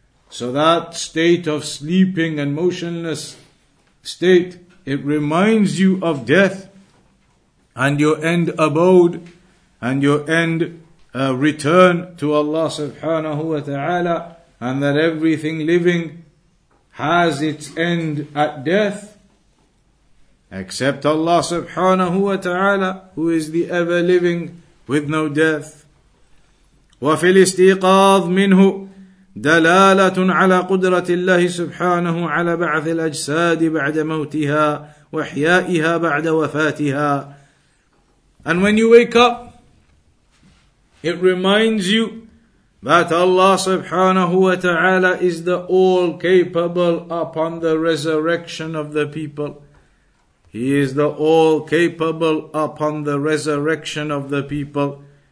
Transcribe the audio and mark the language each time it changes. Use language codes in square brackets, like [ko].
[en] So that state of sleeping and motionless state, it reminds you of death and your end abode and your end return to Allah subhanahu wa ta'ala, and that everything living has its end at death, except Allah subhanahu wa ta'ala, who is the ever living with no death. [ar] وَفِي الْإِسْتِيقَاظِ مِنْهُ دلالة على قدرة الله سبحانه على بعث الأجساد بعد موتها وحيائها بعد وفاتها. [en] And when you wake up, it reminds you that Allah subhanahu wa ta'ala is the all capable upon the resurrection of the people. He is the all capable upon the resurrection of the people.